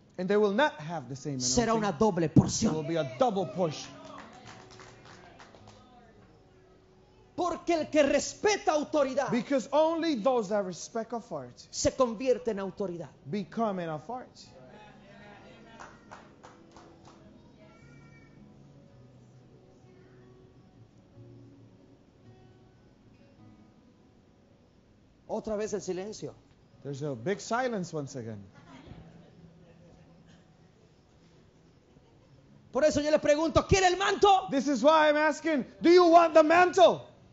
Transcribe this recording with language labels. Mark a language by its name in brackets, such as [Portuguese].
[English] And they will not have the same anointing. [Spanish] Será una doble porción. [English] It will be a double portion. [Spanish] Porque el que respeta autoridad, [English] because only those that respect authority, [Spanish] se convierte en autoridad, [English] become an authority. [Spanish] Otra vez el silencio. [English] There's a big silence once again. [Spanish] Por eso yo le pregunto, ¿quiere el manto? [English] This is why I'm asking, do you want the mantle?